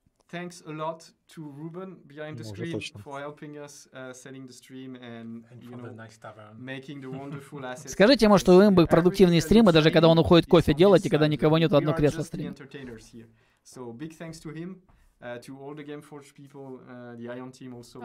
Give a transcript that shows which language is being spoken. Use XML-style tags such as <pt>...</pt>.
<en>Thanks a lot to Ruben behind the screen for helping us setting the stream and you know making the wonderful assets.</en> <ru>Скажите ему, что у Эмбы продуктивные стримы, даже когда он уходит кофе делать и когда никого нет, одно кресло стримит.</ru> <en>So big thanks to him, to all the GameForge people, the Ion team also.</en>